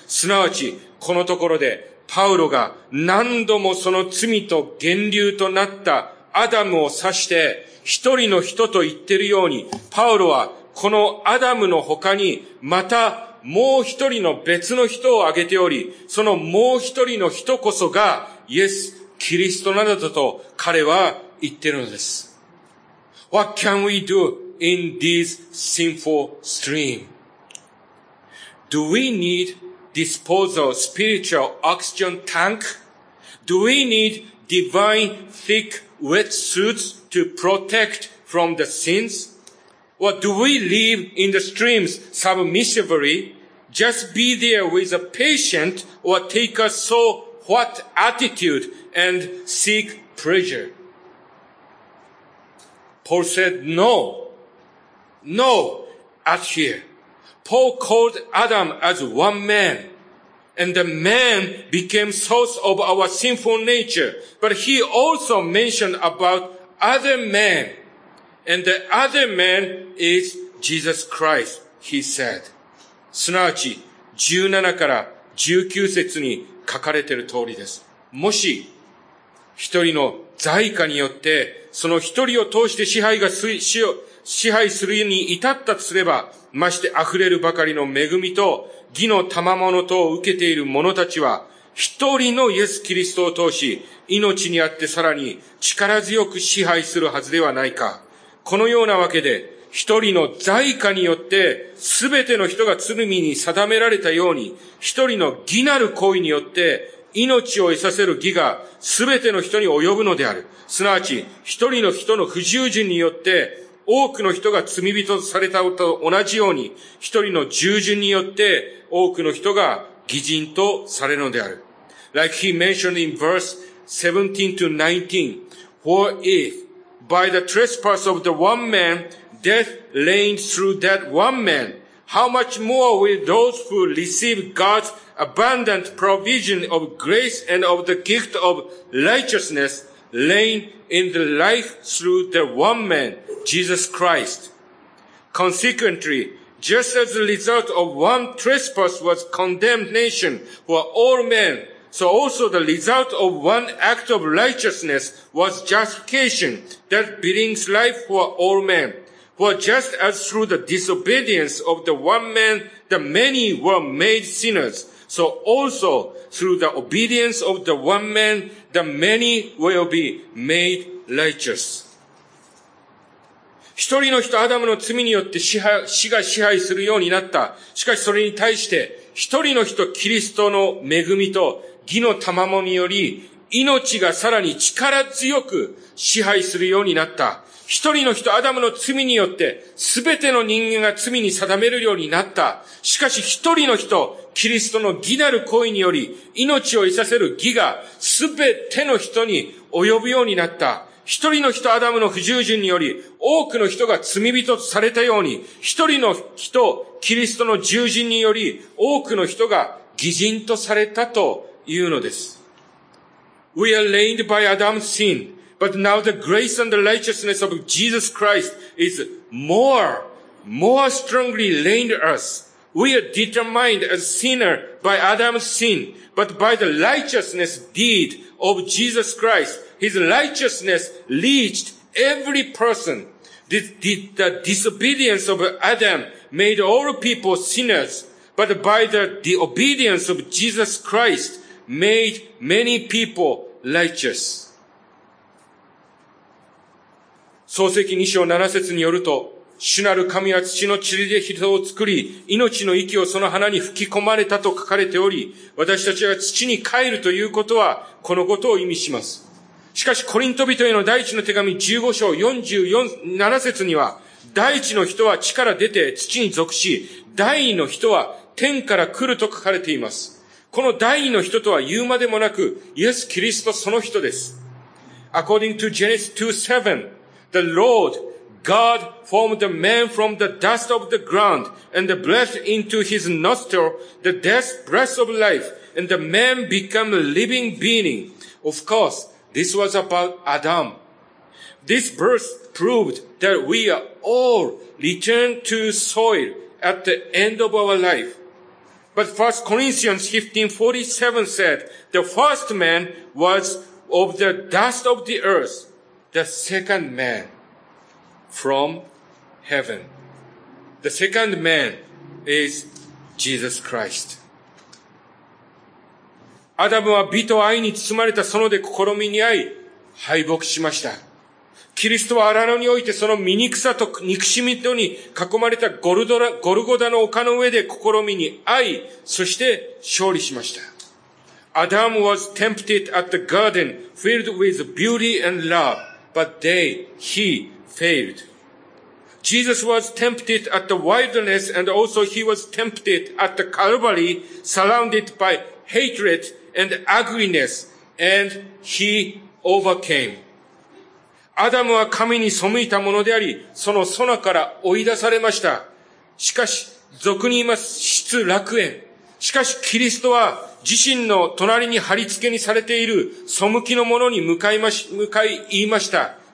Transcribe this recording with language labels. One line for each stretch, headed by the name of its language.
Japanese: すなわち、このところでパウロが何度もその罪と源流となったアダムを指して一人の人と言っているように、パウロはこのアダムの他にまたもう一人の別の人を挙げており、そのもう一人の人こそがイエス・キリストなどだと彼は言ってるのです。
English: What can we do in this sinful stream? Do we need disposal spiritual oxygen tank? Do we need divine thick wet suits to protect from the sins? Or do we live in the streams submissively? Just be there with a patient or take a so what attitude and seek pleasure? Paul said, no, no, at here. Paul called Adam as one man, and the man became source of our sinful nature. But he also mentioned about other men, and the other man is Jesus Christ, he said.
Japanese: すなわち、 17から19節に書かれている通りです。もし一人の財家によってその一人を通して支配が支配するに至ったとすれば、まして溢れるばかりの恵みと義の賜物とを受けている者たちは、一人のイエス・キリストを通し命にあってさらに力強く支配するはずではないか。このようなわけで、一人の財家によって全ての人が罪に定められたように、一人の義なる行為によって命を得させる義が全ての人に及ぶのである。すなわち一人の人の不従順によって多くの人が罪人とされたと同じように、一人の従順によって多くの人が義人とされるのである。
English: Like he mentioned in verse 17 to 19, For if by the trespass of the one man death reigned through that one man, how much more will those who receive God's abundant provision of grace and of the gift of righteousness reign in the life through the one man, Jesus Christ? Consequently,Just as the result of one trespass was condemnation for all men, so also the result of one act of righteousness was justification that brings life for all men. For just as through the disobedience of the one man, the many were made sinners, so also through the obedience of the one man, the many will be made righteous.
Japanese: 一人の人、アダムの罪によって死が支配するようになった。しかしそれに対して、一人の人、キリストの恵みと義の賜物により、命がさらに力強く支配するようになった。一人の人、アダムの罪によって、すべての人間が罪に定めるようになった。しかし一人の人、キリストの義なる行為により、命を得させる義がすべての人に及ぶようになった。一人の人、アダムの不従順により、多くの人が罪人とされたように、一人の人、キリストの従順により、多くの人が義人とされたというのです。
English: We are reigned by Adam's sin, but now the grace and the righteousness of Jesus Christ is more strongly reigned us. We are determined as sinner by Adam's sin, but by the righteousness deed of Jesus Christ,His righteousness reached every person. The disobedience of Adam made all people sinners, but by the obedience of Jesus Christ made many people righteous.
Japanese: 創世記2章7節によると、主なる神は土の塵で人を作り、命の息をその花に吹き込まれたと書かれており、私たちが土に帰るということはこのことを意味します。しかしコリント人への第一の手紙15章44、7節には、第一の人は地から出て土に属し、第二の人は天から来ると書かれています。この第二の人とは言うまでもなく、イエス・キリストその人です。
English: According to Genesis 2:7, the Lord, God formed the man from the dust of the ground and breathed into his nostril the death breath of life, and the man became a living being. Of course,This was about Adam. This verse proved that we are all returned to soil at the end of our life. But 1 Corinthians 15:47 said, The first man was of the dust of the earth, the second man from heaven. The second man is Jesus Christ.
Japanese: アダムは美と愛に包まれた園で試みに遭い、敗北しました。キリストは荒野においてその醜さと憎しみとに囲まれたゴルゴダの丘の上で試みに遭い、そして勝利しました。
English: Adam was tempted at the garden filled with beauty and love, but he failed. Jesus was tempted at the wilderness and also he was tempted at the Calvary surrounded by hatredand ugliness, and he overcame.
Japanese: アダムは神に背いたものであり、その園から追い出されました。しかし、俗に言います、失楽園。しかし、キリストは自身の隣に貼り付けにされている背きの者に向かい言いました。